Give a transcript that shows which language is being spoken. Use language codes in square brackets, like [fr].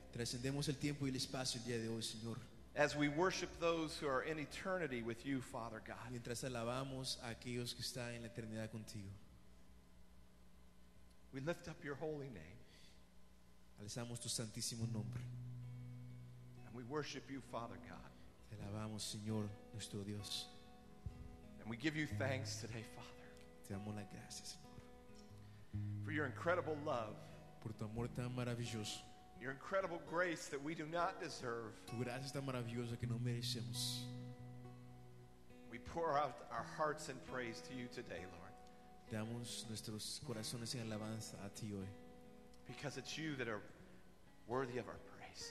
[es] Trascendemos el tiempo y el espacio el día de hoy, Señor. [en] As we worship those who are in eternity with you, Father God. [es] Mientras alabamos a aquellos que están en la eternidad contigo. [en] We lift up your holy name. [es] Alzamos tu santísimo nombre. [en] And we worship you, Father God. [es] Te alabamos, Señor, nuestro Dios. [en] And we give you thanks today, Father. [es] Te damos las gracias. [en] For your incredible love, [es] por tu amor tan maravilloso, [en] your incredible grace that we do not deserve, [es] tu gracia tan maravillosa que no merecemos. [en] We pour out our hearts in praise to you today, Lord. [es] Damos nuestros corazones en alabanza a ti hoy. [en] Because it's you that are worthy of our praise.